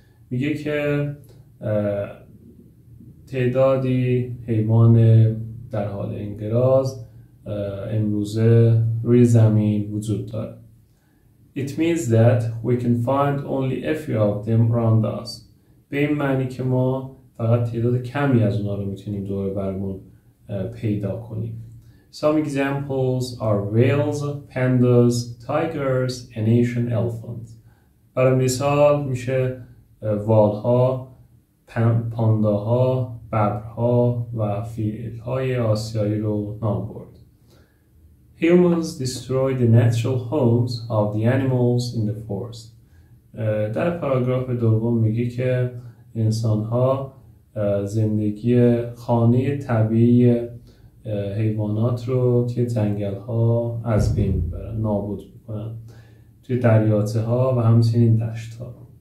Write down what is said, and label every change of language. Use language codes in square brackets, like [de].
[fa] میگه که تعدادی حیوان در حال انقراض امروزه روی زمین وجود داره. [en] It means that we can find only a few of them around us. [fa] به این معنی که ما فقط تعداد کمی از اونا رو میتونیم دور برمون پیدا کنیم. [en] Some examples are whales, pandas, tigers, and Asian elephants. [fa] برای مثال میشه والها، پانداها، ببرها و فیلهای آسیایی رو نام برد. [en] Humans destroy the natural homes of the animals in the forest. [fa] در پاراگراف دوم میگه که انسان‌ها زندگی خانه طبیعی حیوانات رو توی جنگل‌ها از بین می‌برن، نابود می‌کنن. توی دریاچه‌ها و همچنین دشت‌ها.